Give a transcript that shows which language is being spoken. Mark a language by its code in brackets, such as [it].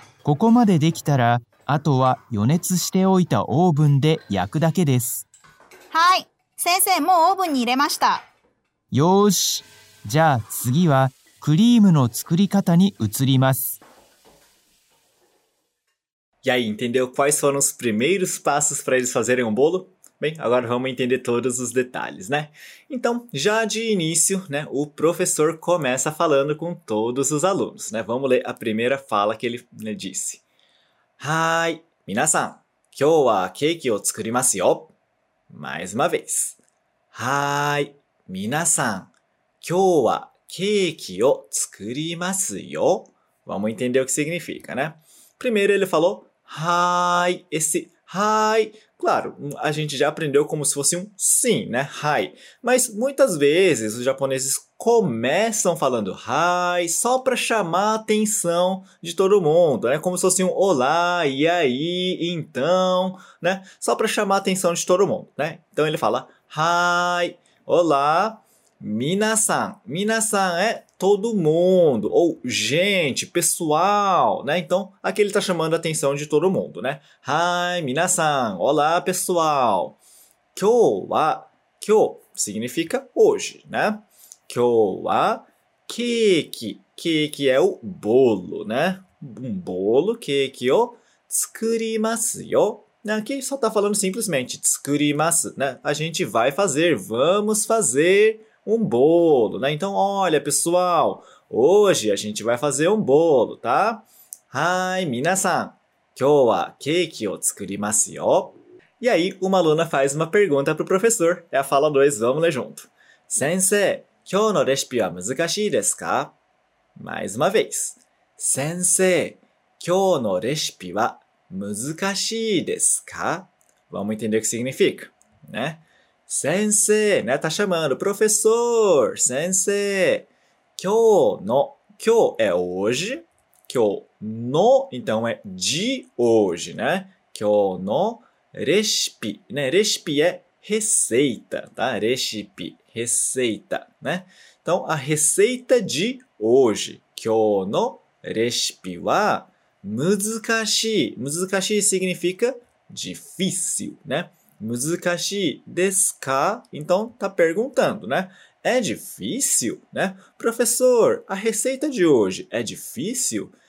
[ja] ここまでできたら、あとは予熱しておいたオーブンで焼くだけです。はい、先生、もうオーブンに入れました。よし、じゃあ次はクリームの作り方に移ります。 [pt] E aí, entendeu quais foram os primeiros passos para eles fazerem um bolo? Bem, agora vamos entender todos os detalhes, né? Então, já de início, né, o professor começa falando com todos os alunos, né? Vamos ler a primeira fala que ele, né, disse. [ja] Hi, 皆さん、今日はケーキを作りますよ。 [pt] Mais uma vez. [ja] Hi, 皆さん、今日はケーキを作りますよ。 [pt] Vamos entender o que significa, né? Primeiro ele falou hi, esse hi. Claro, a gente já aprendeu como se fosse um sim, né? Hi. Mas muitas vezes os japoneses começam falando hi só para chamar a atenção de todo mundo, né? Como se fosse um olá, e aí, então, né? Só para chamar a atenção de todo mundo, né? Então ele fala hi, olá, 皆さんé todo mundo, ou gente, pessoal, né? Então, aqui ele está chamando a atenção de todo mundo, né? [ja] Hi, 皆さん, [pt] olá, pessoal. 今日は, 今日 significa hoje, né? 今日はケーキ, ケーキ é o bolo, né? Um bolo, [ja] ケーキを作りますよ。 [pt] Aqui só está falando simplesmente, 作ります, né? A gente vai fazer, vamos fazer um bolo, né? Então, olha, pessoal, hoje a gente vai fazer um bolo, tá? [ja] Hi, 皆さん, 今日はケーキを作りますよ。 [pt] E aí, uma aluna faz uma pergunta para o professor. É a fala 2, vamos ler junto. [ja] 先生, 今日のレシピは難しいですか? [pt] Mais uma vez. [ja] 先生, 今日のレシピは難しいですか? [pt] Vamos entender o que significa, né? [ja] 先生, né? [pt] Tá chamando, professor, [ja] 先生, 今日の, [pt] 今日 é hoje, 今日の, então é de hoje, né? [ja] 今日のレシピ, né? [pt] レシピ é receita, tá? レシピ, receita, né? Então, a receita de hoje, [ja] 今日のレシピは難しい, [pt] 難しい significa difícil, né? [ja] 難しいですか? [pt] Então, tá perguntando, né? É difícil, né? Professor, a receita de hoje é difícil?